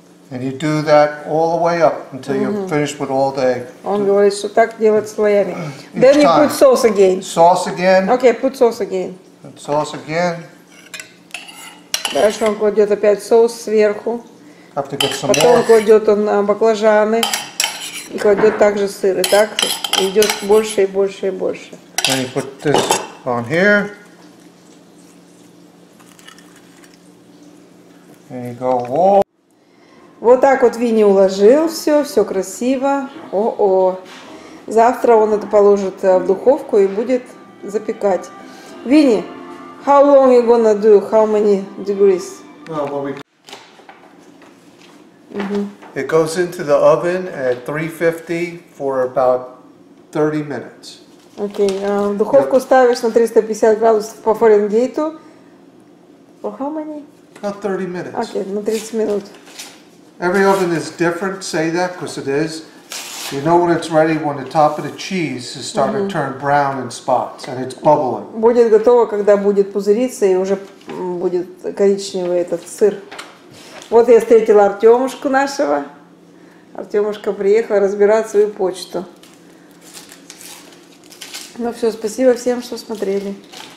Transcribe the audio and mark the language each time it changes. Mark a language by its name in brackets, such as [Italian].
[English] And you do that all the way up until you're finished with all the egg. [Russian] Он говорит, что так делать слоями. [English] Then you put sauce again. Sauce again. Okay, put sauce again. Put sauce again. [Russian] Дальше он кладет опять соус сверху. [English] Have to get some [Russian] потом [English] more. [Russian] Потом кладет он баклажаны. И кладет также сыр. И так идет больше и больше и больше. [English] Then you put this on here. And you go all. [Russian] Вот так вот Винни уложил все красиво. О-о. Завтра он это положит в духовку и будет запекать. Винни, [English] how long you gonna do? How many degrees? It goes into the oven at 350 for about 30 minutes. Окей, okay. [Russian] Духовку ставишь на 350 градусов по Фаренгейту. [English] For how many? About 30 minutes. [Russian] Окей, okay, на 30 минут. [English] Every oven is different, say that, because it is. You know when it's ready, when the top of the cheese is starting to turn brown in spots, and it's bubbling. [Russian] Будет готово, когда будет пузыриться, и уже будет коричневый этот сыр. Вот я встретила Артемушку нашего. Артемушка приехал разбирать свою почту. Ну все, спасибо всем, что смотрели.